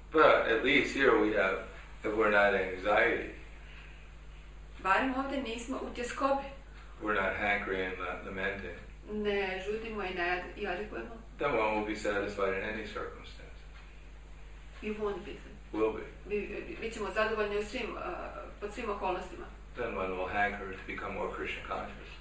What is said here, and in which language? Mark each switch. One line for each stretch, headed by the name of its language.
English: But at least here we have, if we're not anxiety.
Croatian: Barem ovdje nismo u tjeskobi.
English: We're not hankering and lamenting.
Croatian: Ne žudimo i ne jadikujemo.
English: Then one will be satisfied in any circumstance. You won't be. Will be.
Croatian: Bit ćemo zadovoljni u svim, pod svim okolnostima.
English: Then one will hanker to become more Krishna conscious.